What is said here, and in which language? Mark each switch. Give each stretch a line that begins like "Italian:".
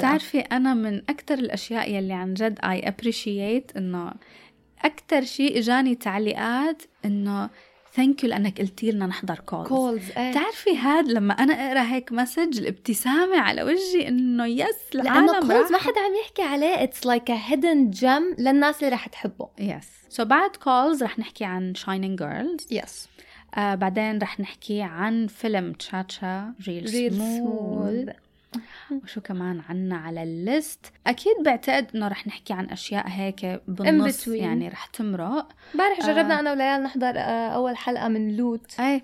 Arabic: تعرفي أنا من أكتر الأشياء يلي عن جد
English: I appreciate
Arabic: إنه أكتر شيء إجاني تعليقات إنه
English: thank you
Arabic: لأنك قلتي لنا نحضر calls إيه. تعرفي هاد لما أنا أقرأ هيك مسج الابتسامة على وجهي إنه
English: yes
Arabic: لأنه calls ما حدا عم يحكي عليه
English: it's like a hidden gem
Arabic: للناس اللي رح تحبه
English: yes so
Arabic: بعد calls رح نحكي عن shining girls
English: yes
Arabic: بعدين رح نحكي عن فيلم تشاتشا ريل سمول وشو كمان عنا على الليست أكيد بعتقد إنه رح نحكي عن أشياء هيك بالنص يعني رح تمرق بارح جربنا أنا وليال نحضر أول حلقة من لوت